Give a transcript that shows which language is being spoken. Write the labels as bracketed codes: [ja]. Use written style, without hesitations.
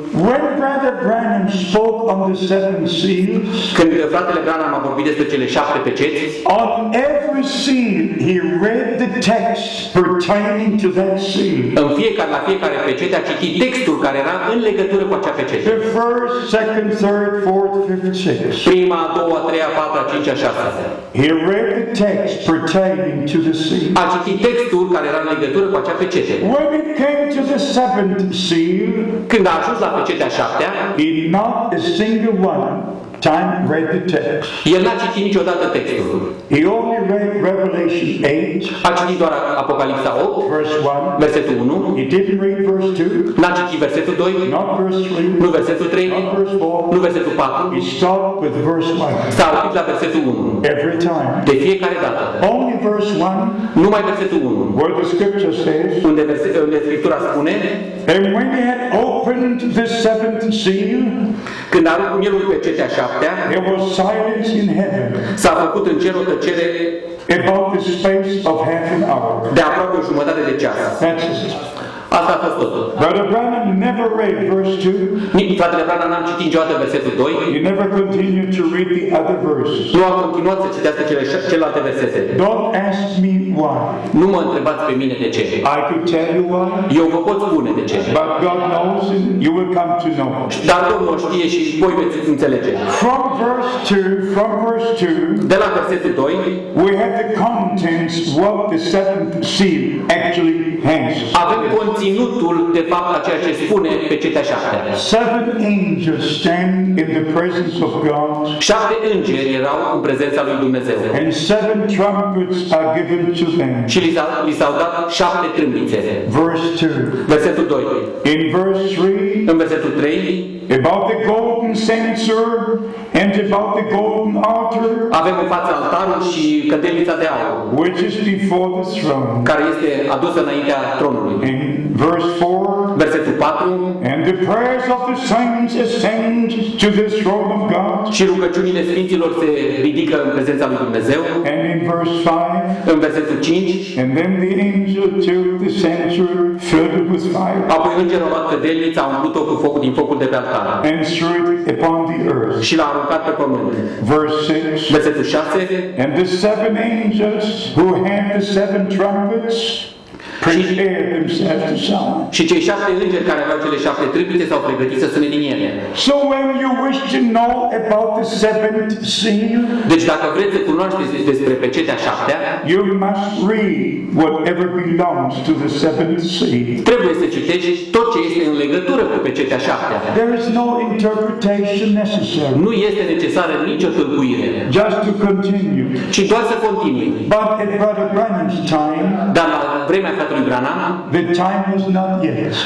[en] When Brother Branham spoke on the seven seals. [ro] Când fratele Branham a vorbit despre cele șapte peceți. [en] On every seal. He read the text pertaining to that scene. [ro] La fiecare pecete a citit textul care era în legătură cu acea pecete. [en] The first, second, third, fourth, fifth, sixth. [ro] Prima, a doua, a treia, a patra, a cincea, a șasea. [en] He read the text pertaining to the scene. [ro] A citit textul care era în legătură cu acea pecete. [en] When it came to the seventh seal, [ro] când a ajuns la pecetea a șaptea, [en] he not a single one. Time read the text. [ro] El n-a citit niciodată textul. [en] He only read Revelation 8. [ro] A citit doar Apocalipsa 8. [en] Verse 1. [ro] Versetul 1. [en] He didn't read verse 2. [ro] N-a citit versetul 2. [en] Not verse 3. [ro] Nu versetul 3. [en] Not verse 4. [ro] Nu versetul 4. [en] He stopped with verse 1. [ro] S-a oprit la versetul 1. [en] Every time. [ro] De fiecare dată. [en] Only verse 1. [ro] Numai versetul 1. [en] Where the scripture says. [ro] Unde Scriptura spune. [en] And when he had opened the seventh seal. [ro] Când a rupt mielul pecetea șaptea, [en] there was silence in heaven. [ro] S-a făcut în cer o tăcere. [en] About the space of half an hour. [ro] De aproape o jumătate de ceas. Asta a fost totul. [en] Brother Branham never read verse 2. [ro] Nici fratele Branham n-a citit niciodată versetul 2. [en] He never continued to read the other verses. [ro] Nu a continuat să citească celelalte versete. [en] Don't ask me why. [ro] Nu mă întrebați pe mine de ce. [en] I could tell you why. [ro] Eu vă pot spune de ce. [en] But God knows and you will come to know. [ro] Dar Domnul știe și voi veți înțelege. [en] From verse 2. [ro] De la versetul 2. [en] We have the contents what the seventh seal actually hangs. [ro] Avem conținutul de fapt a ceea ce spune pecetea șaptea. [en] Seven angels stand in the presence of God. [ro] Șapte îngeri erau în prezența lui Dumnezeu. [en] And seven trumpets are given to them. [ro] Și li s-au dat șapte trâmbițe. [en] Verse 2. [ro] Versetul 2. [en] In verse 3. [ro] În versetul 3. [en] About the golden censer and about the golden altar. [ro] Avem în fața altarul și cădelnița de aur. [en] Which is before the throne. [ro] Care este adusă înaintea tronului. [en] In verse 4. [ro] Versetul 4. [en] And the prayers of the saints ascend to the throne of God. [ro] Și rugăciunile sfinților se ridică în prezența lui Dumnezeu. [en] And in verse 5. [ro] În versetul 5. [en] And then the angel took the censer filled it with fire. [ro] Apoi îngerul a luat cădelnița, a umplut-o cu focul din focul de pe altar. [en] And threw upon the earth. [ro] Și l-a aruncat pe pământ. [en] Verse 6. [ro] Versetul 6. [en] And the seven angels who had the seven trumpets prepared themselves to sound. [ro] Și cei șapte îngeri care aveau cele șapte trâmbițe s-au pregătit să sune din ele. [en] So when you wish to know about the seventh seal. [ro] Deci dacă vreți să cunoașteți despre pecetea șaptea, [en] you must read whatever belongs to the seventh seal. [ro] Trebuie să citești tot ce este în legătură cu pecetea șaptea. [en] There is no interpretation necessary. [ro] Nu este necesară nicio tâlcuire. [en] Just to continue. [ro] Ci doar să continui. [en] But at Brother Branham's time. [ro] Dar la vremea [en] the time was not yet.